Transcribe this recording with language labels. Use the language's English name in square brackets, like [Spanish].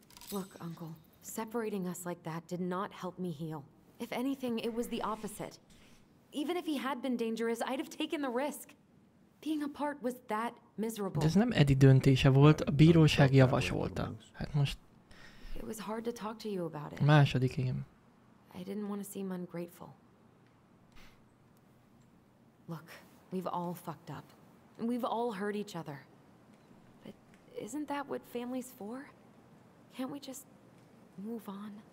[English] Look, Uncle, separating us like that did not help me heal. If anything, it was the opposite. Even if he had been dangerous, I'd have taken the risk. Being apart was that miserable. [Hungarian] De ez nem Eddie döntése volt, a bíróság javasolta. Hát most... [English] It was hard to talk to you about it. [Hungarian] Második, igen. [English] I didn't want to seem ungrateful. Look, we've all fucked up. And we've all hurt each other. But isn't that what family's for? Can't we just move on?